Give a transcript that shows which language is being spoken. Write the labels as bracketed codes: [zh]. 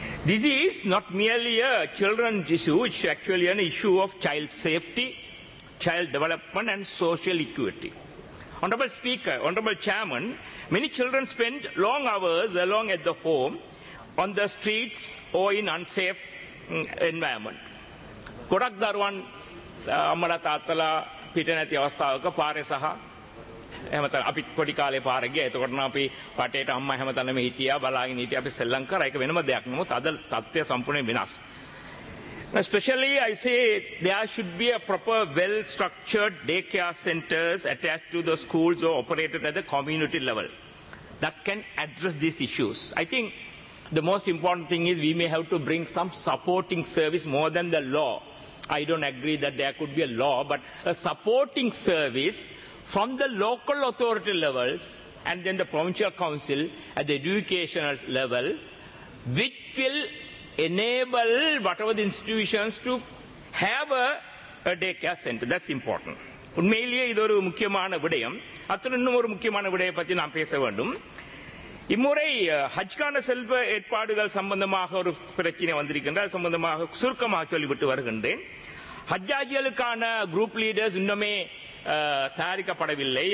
[en] This is not merely a children's issue, it's actually an issue of child safety, child development and social equity. Honorable Speaker, Honorable Chairman, many children spend long hours along at the home, on the streets or in unsafe environment. [si] ගොඩක් දරුවන් අම්මලා තාත්තලා පිට නැති අවස්ථාවක පාරේ සහ එහෙමතන අපි පොඩි කාලේ පාර ගියා. එතකොට නම් අපි වටේට අම්මා හැමතැනම හිටියා බලාගෙන හිටියා. අපි සෙල්ලම් කරා. ඒක වෙනම දෙයක්. නමුත් අද තත්ත්වය සම්පූර්ණයෙන් වෙනස්. [en] Especially I say there should be a proper well structured daycare centers attached to the schools or operated at the community level that can address these issues. I think the most important thing is we may have to bring some supporting service more than the law. I don't agree that there could be a law, but a supporting service from the local authority levels and then the provincial council at the educational level, which will enable whatever the institutions to have a daycare center. That's important. [ta] உண்மையிலேயே இது ஒரு முக்கியமான விடயம். அத்துடன் இன்னும் ஒரு முக்கியமான விடயம் பத்தி நாம் பேச வேண்டும். இம்முறை ஹஜ்கான செல்வ ஏற்பாடுகள் சம்பந்தமாக ஒரு பிரச்சனை வந்திருக்கின்ற சம்பந்தமாக சுருக்கமாக சொல்லிவிட்டு வருகின்றேன். ஹஜ்ஜாஜிகளுக்கான [en] group leaders [ta] இன்னுமே தயாரிக்கப்படவில்லை.